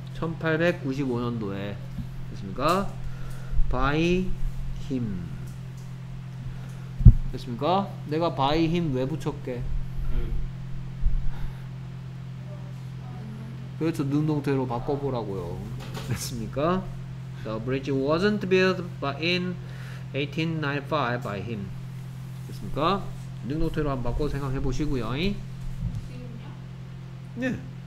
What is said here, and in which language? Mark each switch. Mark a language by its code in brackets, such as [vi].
[ko] 1895년도에. 됐습니까? [en] By him. [ko] 됐습니까? 내가 [en] by him [ko] 왜 붙였게? 그렇죠. 능동태로 바꿔보라고요. 됐습니까? [en] The bridge wasn't built by in 1895 by him. [ko] 됐습니까? 능동태로 한번 바꿔 생각해 보시고요. 지금요? 네.